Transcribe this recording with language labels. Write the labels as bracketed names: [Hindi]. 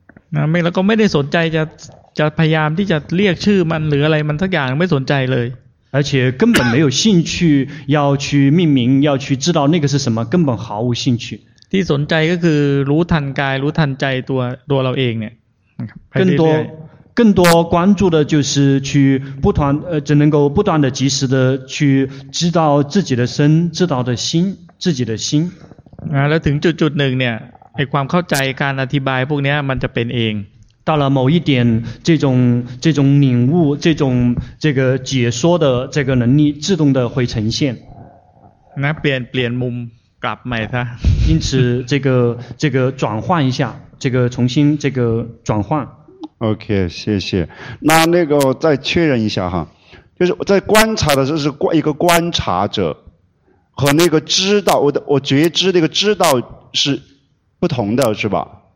[Thai] นะไม่แล้วก็ไม่ได้สนใจจะพยายามที่จะเรียกชื่อมันหรืออะไรมันสักอย่างไม่สนใจเลย [Chinese] 而且根本没有兴趣要去命名要去知道那个是什么根本毫无兴趣 [Thai] ที่สนใจก็คือรู้ทันกายรู้ทันใจตัวเราเองเนี่ย [Chinese] 更多关注的就是去不断只能够不断的及时的去知道自己的身知道的心自己的心 [Thai] แล้วถึงจุดหนึ่งเนี่ยไอความเข้าใจการอธิบายพวกนี้มันจะเป็นเอง [Chinese] 到了某一点这种领悟这个解说的这个能力自动的会呈现那变 [Thai] มุมกลับใหม่ซะ [Chinese] 因此这个转换一下这个重新这个转换 OK 谢谢那个再确认一下哈就是在观察的时候是一个观察者和那个知道我觉知那个知道是不同的是吧